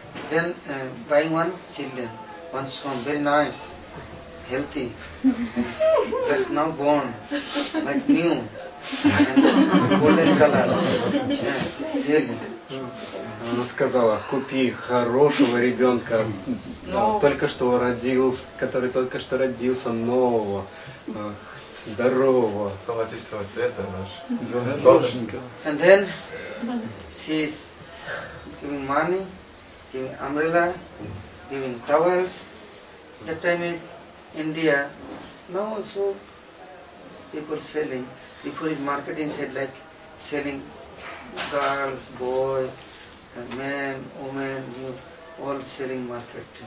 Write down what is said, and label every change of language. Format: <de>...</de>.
<en>Then buying one children, one son, very nice, healthy, just now born, like new, and golden color.</en> <ru>Она сказала, купи хорошего ребенка, только что родился, который только что родился, нового. Здорово. Золотистого цвета наш. Золотенького.</ru> <en>And then she is giving money, giving umbrella, giving towels. That time is India. Now also people selling. Before is market inside like selling girls, boys, men, women, you all selling market.</en>